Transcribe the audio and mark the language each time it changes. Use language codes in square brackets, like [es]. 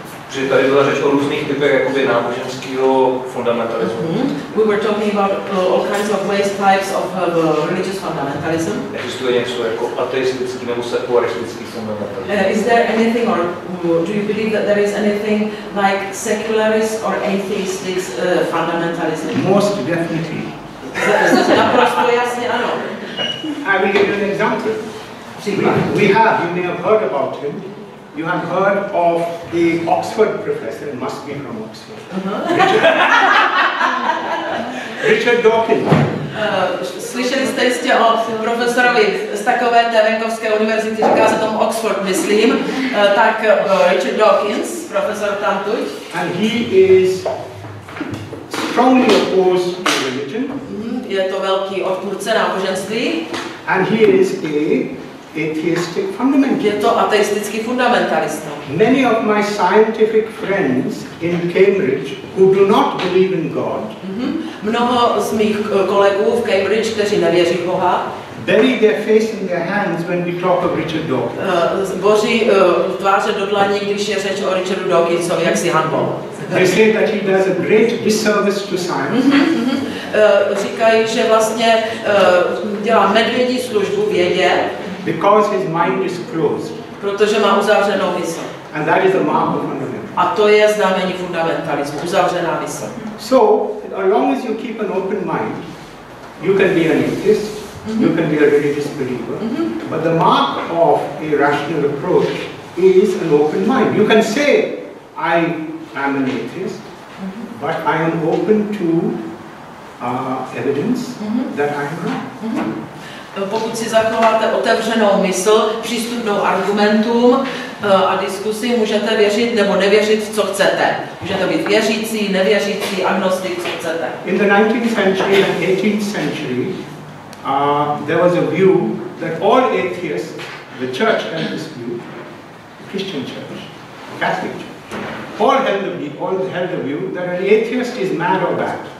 [cs] Že tady byla řeč o různých typech jakoby náboženského fundamentalismu. [en] We were talking about all kinds of ways, types of religious fundamentalism. [cs] Existuje něco jako ateistický nebo sekularistický fundamentalism? [en] Is there anything or do you believe that there is anything like secularist or atheistic fundamentalism? Most definitely. [cs] Naprosto jasně ano. [en] I will give you an example. We have, you may have heard about him. You have heard of the Oxford professor, must be from Oxford. Richard Dawkins. [cs] Slyšeli jste jistě o profesorovi z takové té venkovské univerzity, říká se tomu Oxford, myslím. Tak Richard Dawkins, profesor tamtuť. [en] And he is strongly opposed to religion. [cs] Je to velký odpůrce náboženství. [en] And he is a atheistic fundamentalist. [cs] Je to ateistický fundamentalist. [en] Many of my scientific friends in Cambridge who do not believe in God. [cs] Mnoho z mých kolegů v Cambridge, kteří nevěří v Boha, [en] bury their face in their hands when we talk of Richard Dawkins. [cs] Boží tváře do dlaní, když je řeč o Richardu Dawkinsovi, jak si hanbou. [en] They say that he does a great disservice to science. [cs] Říkají, že vlastně dělá medvědí službu vědě. [en] Because his mind is closed. [cs] Protože má uzavřenou mysl. [en] And that is a mark of fundamentalism. [cs] A to je znamení fundamentalismu, uzavřená mysl. [en] So, as long as you keep an open mind, you can be an atheist, you can be a religious believer. But the mark of a rational approach is an open mind. You can say, I am an atheist, but I am open to evidence that I am wrong. [cs] Pokud si zachováte otevřenou mysl, přístupnou argumentům a diskusi, můžete věřit nebo nevěřit, co chcete. Můžete být věřící, nevěřící, agnostik, co chcete. [en] In the 19th century and 18th century, there was a view that all atheists, the church had this view, the Christian church, the Catholic church, all held the view that an atheist is mad or bad.